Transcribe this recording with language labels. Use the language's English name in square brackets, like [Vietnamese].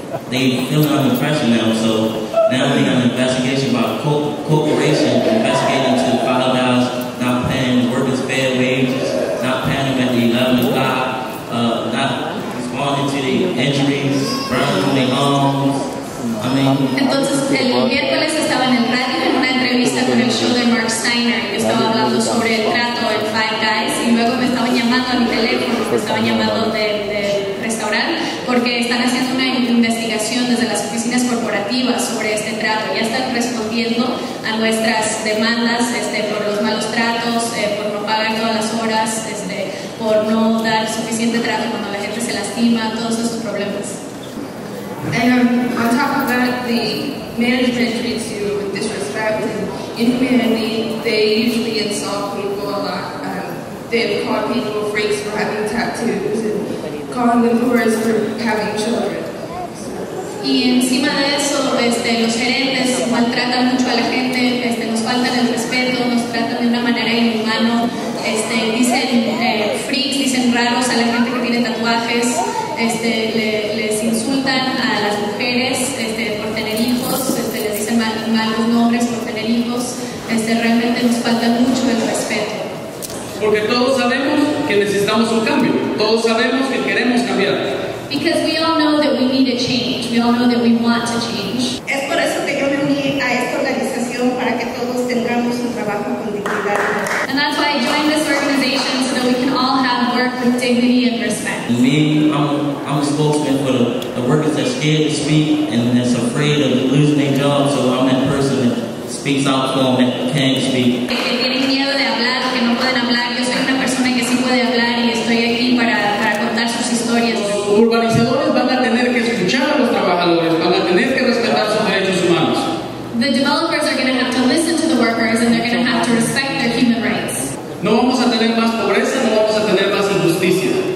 [English] They feeling under pressure now, so now they got an investigation by a corporation investigating to Five Guys not paying workers fair wages, not paying them at the 11 o'clock, not responding to the injuries, burning on their homes. [Spanish] Entonces el miércoles estaba en el radio en una entrevista con el show de Mark Steiner. Yo estaba hablando sobre el trato en Five Guys y luego me estaban llamando a mi teléfono, me estaban llamando del restaurante porque están haciendo una investigación desde las oficinas corporativas sobre este trato. Ya están respondiendo a nuestras demandas por los malos tratos, por no pagar todas las horas, por no dar suficiente trato cuando la gente se lastima, todos esos problemas. [English] And on top of that, the management treats you with disrespect and inhumanity. They usually insult people a lot. They've called people freaks for having tattoos and calling them whores for having children. [Spanish] Y encima de eso, los gerentes maltratan mucho a la gente, nos faltan el respeto, nos tratan de una manera inhumana. Dicen freaks, dicen raros a la gente que tiene tatuajes. Les insultan a las mujeres por tener hijos, les dicen malos nombres por tener hijos, realmente nos falta mucho el respeto. Porque todos sabemos que necesitamos un cambio, todos sabemos que queremos cambiar. [English] Because we all know that we need a change, we all know that we want to change. [Spanish] Es por eso que yo me uní a esta organización, para que todos tengamos un trabajo con dignidad. [English] And that's why I joined this organization, so that we can all have work with dignity and respect. Me, I'm a spokesman for the workers that are scared to speak and that's afraid of losing their job, so I'm that person that speaks out for them that can speak. [Spanish] Que tienen miedo de hablar, que no pueden hablar. Yo soy una persona que sí puede hablar y estoy aquí para contar sus historias. Los urbanizadores van a tener que escuchar a los trabajadores, van a tener que respetar sus derechos humanos. [English] The developers are going to have to listen to the workers and they're going to have to respect their human rights. [Spanish] No vamos a tener más pobreza, no vamos a tener más injusticia.